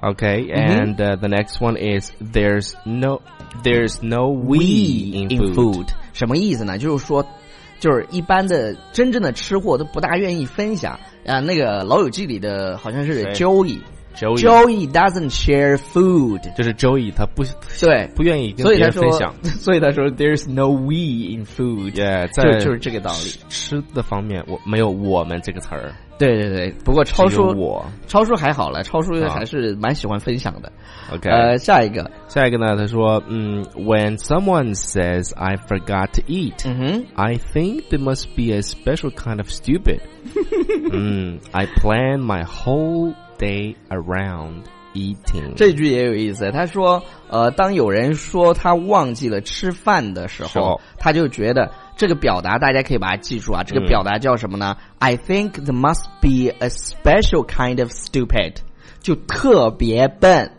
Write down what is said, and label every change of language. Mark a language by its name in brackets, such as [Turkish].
[English] OK， and、the next one is there's no we [Chinese] in food，什么意思呢？就是说。就是一般的真正的吃货都不大愿意分享啊。那个老友记里的好像是 Joey doesn't share food，就是 Joey 他不对不愿意跟别人分享，所以他说 there's no we in food， yeah， 在就是这个道理。吃的方面我没有我们这个词儿。对对对，不过超叔我超叔还好了，超叔还是蛮喜欢分享的。 OK，下一个， [English] 下一个呢？他说， When someone says I forgot to eat，I think there must be a special kind of stupid 。 I plan my whole day around eating。 [Chinese] 这句也有意思，他说，当有人说他忘记了吃饭的时候，他就觉得。这个表达大家可以把它记住啊，这个表达叫什么呢？ [English] I think there must be a special kind of stupid，就特别笨。